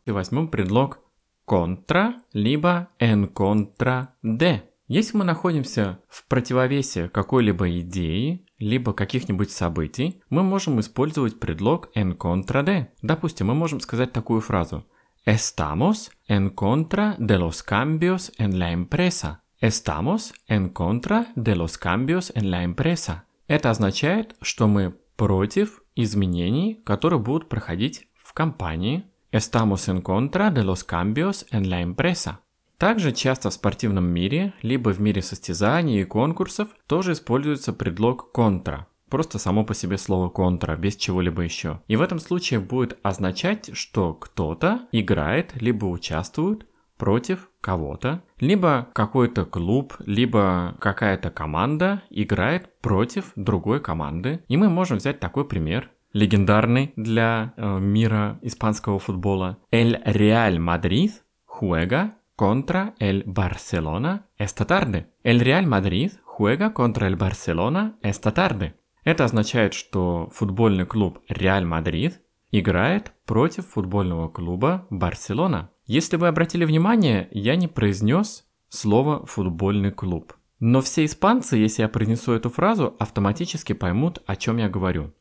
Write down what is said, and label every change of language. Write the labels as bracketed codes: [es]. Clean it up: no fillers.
[ru] И возьмем предлог contra, либо en contra de. Если мы находимся в противовесе какой-либо идеи, либо каких-нибудь событий, мы можем использовать предлог en contra de. Допустим, мы можем сказать такую фразу. [es] Estamos en contra de los cambios en la empresa. Estamos en contra de los cambios en la empresa. [ru] Это означает, что мы против изменений, которые будут проходить в компании. [es] Estamos en contra de los cambios en la empresa. [ru] Также часто в спортивном мире, либо в мире состязаний и конкурсов, тоже используется предлог contra. Просто само по себе слово contra, без чего-либо еще. И в этом случае будет означать, что кто-то играет, либо участвует против кого-то. Либо какой-то клуб, либо какая-то команда играет против другой команды. И мы можем взять такой пример, легендарный для мира испанского футбола. [es] El Real Madrid juega contra el Barcelona esta tarde. El Real Madrid juega contra el Barcelona esta tarde. [ru] Это означает, что футбольный клуб Real Madrid играет против футбольного клуба Барселона. Если вы обратили внимание, я не произнес слово «футбольный клуб». Но все испанцы, если я произнесу эту фразу, автоматически поймут, о чем я говорю.